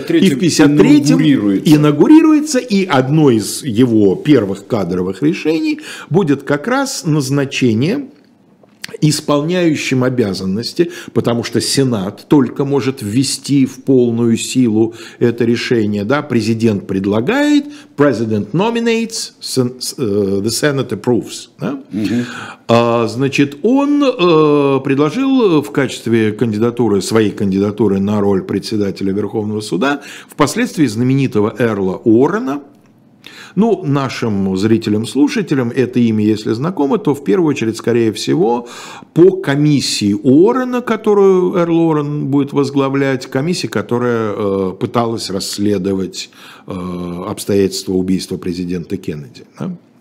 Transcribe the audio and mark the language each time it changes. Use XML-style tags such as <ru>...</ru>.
<ru>И в 53-м инаугурируется. И одно из его первых кадровых решений будет как раз назначение исполняющим обязанности, потому что Сенат только может ввести в полную силу это решение. Да? Президент предлагает,</ru> <en>president nominates, the Senate approves.</en> <ru>Да? Uh-huh. Значит, он предложил в качестве кандидатуры, своей кандидатуры на роль председателя Верховного суда, впоследствии знаменитого Эрла Уоррена. Ну, нашим зрителям-слушателям это имя, если знакомо, то в первую очередь, скорее всего, по комиссии Уоррена, которую Эрл Уоррен будет возглавлять, комиссия, которая пыталась расследовать обстоятельства убийства президента Кеннеди. Да?</ru>